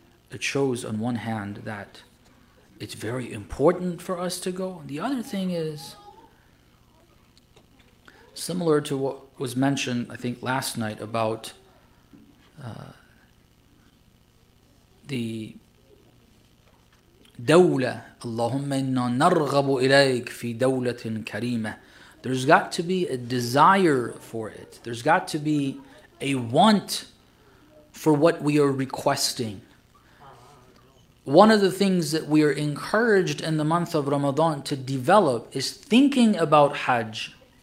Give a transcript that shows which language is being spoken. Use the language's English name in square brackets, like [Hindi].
[English] it shows on one hand that it's very important for us to go. The other thing is, similar to what was mentioned, I think, last night about the دولة. [Arabic] اللهم إنا نرغب إليك في دولة كريمة. [English] There's got to be a desire for it. There's got to be a want for what we are requesting. One of the things that we are encouraged in the month of Ramadan to develop is thinking about Hajj.